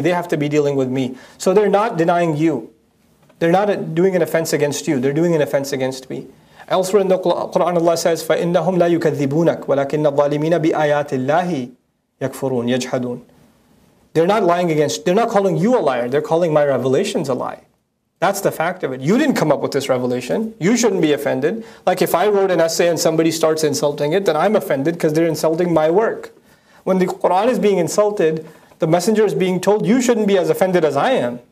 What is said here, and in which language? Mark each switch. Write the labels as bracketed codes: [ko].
[en] They have to be dealing with me. So they're not denying you. They're not doing an offense against you. They're doing an offense against me. Elsewhere in the Quran, Allah says, [ar] فَإِنَّهُمْ لَا يُكَذِّبُونَكَ وَلَكِنَّ الظَّالِمِينَ بِآيَاتِ اللَّهِ يَكْفُرُونَ يَجْحَدُونَ. [en] They're not lying against, they're not calling you a liar, they're calling my revelations a lie. That's the fact of it. You didn't come up with this revelation. You shouldn't be offended. Like if I wrote an essay and somebody starts insulting it, then I'm offended because they're insulting my work. When the Quran is being insulted, the messenger is being told, you shouldn't be as offended as I am.